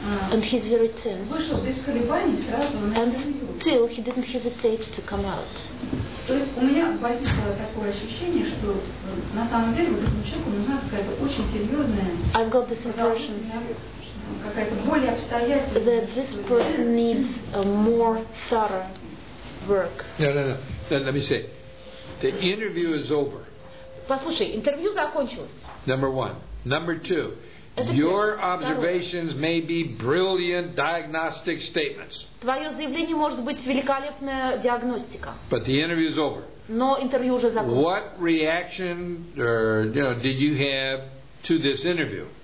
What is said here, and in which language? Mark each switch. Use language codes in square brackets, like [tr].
[en] And he's very tense. And still he didn't hesitate to come out. [ru] То есть у меня возникло такое ощущение, что на самом деле вот этому человеку нужна какая-то очень серьезная, [en] I've got this impression, [ru] какая-то более обстоятельная, [en] that this person needs a more thorough work. No. Let me say, the interview is over. [ru] Послушай, интервью закончилось. [en] Number one. Number two. Your observations may be brilliant diagnostic statements. [ru] Твоё заявление может быть великолепная диагностика. [en] But the interview is over. [ru] Но интервью уже закончилось. [en] What reaction or did you have to this interview?